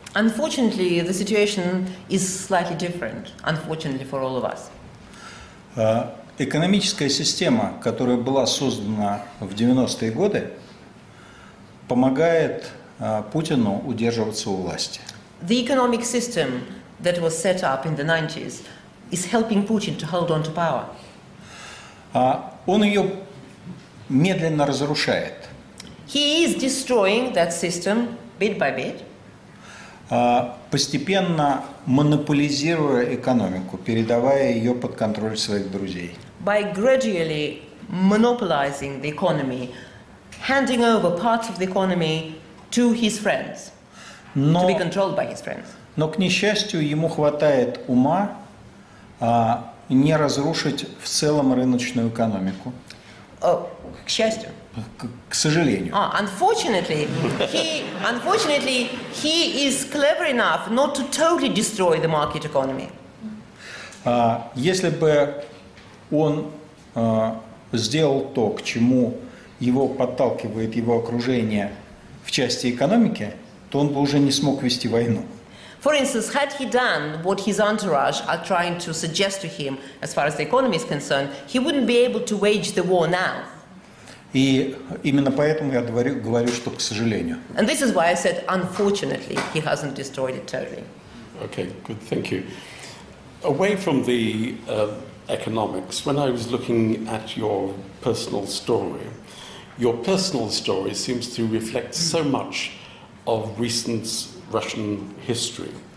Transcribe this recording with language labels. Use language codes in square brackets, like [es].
[en] Unfortunately, the situation is slightly different, unfortunately for all of us. [ru] Экономическая система, которая была создана в 90-е годы, помогает Путину удерживаться у власти. [en] The economic system that was set up in the 90s is helping Putin to hold on to power. [ru] Он ее медленно разрушает. [en] He is destroying that system bit by bit. [ru] Постепенно монополизируя экономику, передавая ее под контроль своих друзей. [en] By gradually monopolizing the economy, handing over parts of the economy to his friends, to be controlled by his friends. [ru] Но, к несчастью, ему хватает ума не разрушить в целом рыночную экономику. К счастью. К сожалению. [en] Unfortunately, he is clever enough not to totally destroy the market economy. [ru] Если бы он сделал то, к чему его подталкивает его окружение в части экономики, то он бы уже не смог вести войну. [en] For instance, had he done what his entourage are trying to suggest to him, as far as the economy is concerned, he wouldn't be able to wage the war now. [ru] И именно поэтому я говорю, что к сожалению. [en] And this is why I said, unfortunately, he hasn't destroyed it totally. Okay, good, thank you. Away from the economics, when I was looking at your personal story, your personal story seems to reflect so much of recent Russian history.